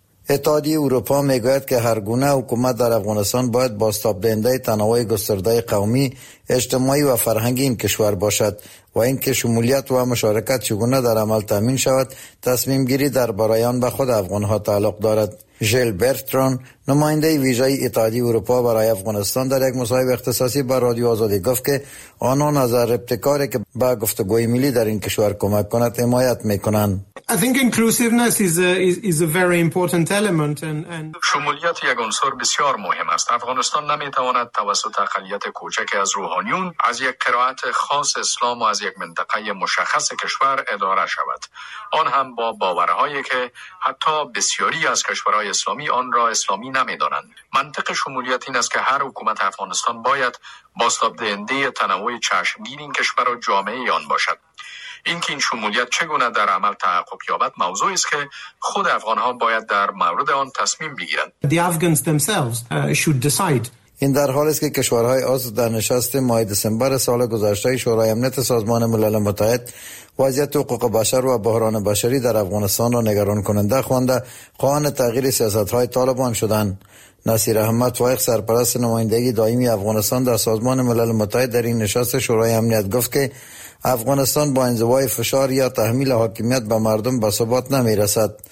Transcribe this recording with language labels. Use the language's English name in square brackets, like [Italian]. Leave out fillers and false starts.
[Persian] اتحادیه اروپا میگوید که هر گونه حکومت در افغانستان باید بازتاب دهنده تنوع گسترده قومی، اجتماعی و فرهنگی این کشور باشد و اینکه شمولیت و مشارکت چگونه در عمل تامین شود، تصمیم گیری در برای آن به خود افغانها تعلق دارد. ژل برتران، نماینده ویژه اتحادیه اروپا برای افغانستان، در یک مصاحبه اختصاصی با رادیو آزادی گفت که آنان از ابتکاری که با گفتگوی ملی در این کشور کمک کند حمایت میکنند. [English] I think inclusiveness is a very important element and [Persian] شمولیت یک عنصر بسیار مهم است. افغانستان نمیتواند توسط اقلیت کوچک از روحانیون، از یک قرائت خاص اسلام و از یک منطقه مشخص کشور اداره شود. آن هم با باورهایی که حتی بسیاری از کشورهای اسلامی آن را اسلامی نمیدانند. منطق شمولیت این است که هر حکومت افغانستان باید بازتاب دهنده تنوع چشمگیر این کشور و جامعه آن باشد. اینکه این شمولیت چگونه در عمل تحقق یابد موضوعی است که خود افغان‌ها باید در مورد آن تصمیم بگیرند. [English] The Afghans themselves should decide. [Persian] این در حالی است که کشورهای عضو در نشست ماه دسامبر سال گذشته شورای امنیت سازمان ملل متحد وضعیت حقوق بشر و بحران بشری در افغانستان را نگران کننده خوانده، خواهان تغییر سیاست‌های طالبان شدند. نصیر احمد فایق، سرپرست نمایندگی دائمی افغانستان در سازمان ملل متحد، در این نشست شورای امنیت گفت که افغانستان با انزوای فشار یا تحمیل حاکمیت به مردم به ثبات نمی‌رسد.